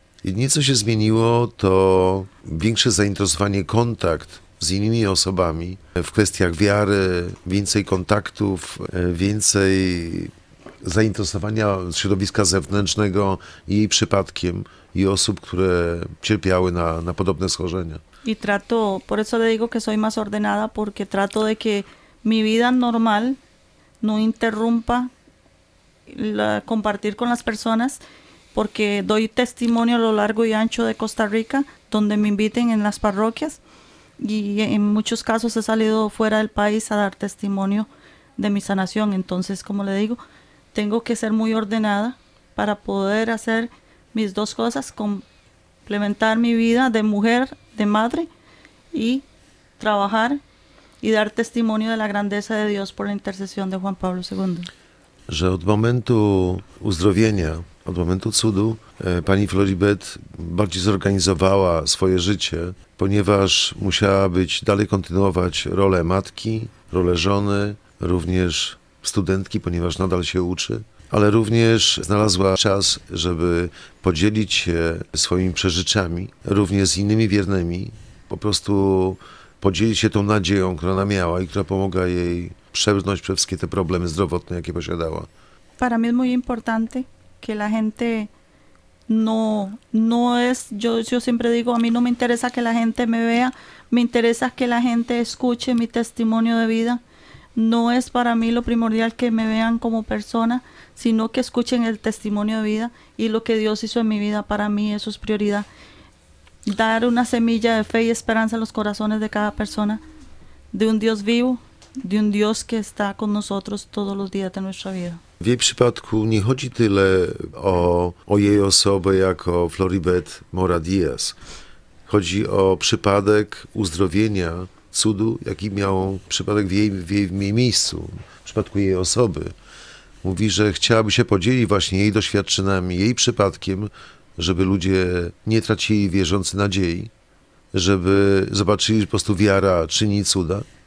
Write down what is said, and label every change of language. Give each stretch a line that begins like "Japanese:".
Polish: Jedynie co się zmieniło, to większe zainteresowanie, kontakt z innymi osobami w kwestiach wiary, więcej kontaktów, więcej zainteresowania środowiska zewnętrznego jej przypadkiem i osób, które cierpiały na podobne schorzenia.
Spanish: I trato, por eso le digo que soy más ordenada, porque trato de que mi vida normal no interrumpa la, compartir con las personas. Porque doy testimonio a lo largo y ancho de Costa Rica, donde me inviten en las parroquias. Y en muchos casos he salido fuera del país a dar testimonio de mi sanación. Entonces, como le digo, tengo que ser muy ordenada para poder hacer mis dos cosas, complementar mi vida de mujer, de madre, y trabajar y dar testimonio de la grandeza de Dios por la intercesión de Juan Pablo II.
Polish: Że od momentu uzdrowienia, od momentu cudu, pani Floribet bardziej zorganizowała swoje życie, ponieważ musiała być dalej kontynuować rolę matki, rolę żony, również studentki, ponieważ nadal się uczy, ale również znalazła czas, żeby podzielić się swoimi przeżyciami, również z innymi wiernymi, po prostu podzielić się tą nadzieją, którą ona miała i która pomogła jej przebrnąć przez wszystkie te problemy zdrowotne, jakie posiadała.
Spanish: Para mí es muy importante que la gente no es, yo siempre digo, a mí no me interesa que la gente me vea, me interesa que la gente escuche mi testimonio de vida. No es para mí lo primordial que me vean como persona, sino que escuchen el testimonio de vida y lo que Dios hizo en mi vida. Para mí eso es prioridad. Dar una semilla de fe y esperanza en los corazones de cada persona, de un Dios vivo, de un Dios que está con nosotros todos los días de nuestra vida.
Polish: W jej przypadku nie chodzi tyle o jej osobę jako Floribet Mora Diaz. Chodzi o przypadek uzdrowienia, cudu, jaki miał przypadek w jej miejscu, w przypadku jej osoby. Mówi, że chciałaby się podzielić właśnie jej doświadczeniami, jej przypadkiem, żeby ludzie nie tracili wierzący nadziei, żeby zobaczyli, że po prostu wiara czyni cuda.